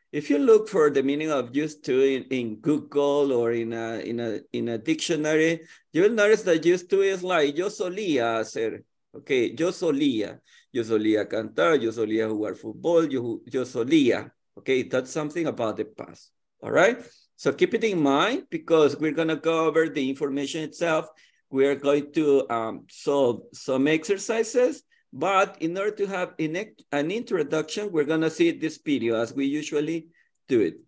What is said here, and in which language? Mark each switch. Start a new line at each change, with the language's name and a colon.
English: If you look for the meaning of used to in Google or in a dictionary, you will notice that used to is like
Spanish: yo solía hacer.
English: Okay,
Spanish: yo solía. Yo solía cantar, yo solía jugar fútbol, yo solía.
English: Okay, that's something about the past. All right? So keep it in mind, because we're going to go over the information itself. We are going to solve some exercises. But in order to have an introduction, we're going to see this video as we usually do it.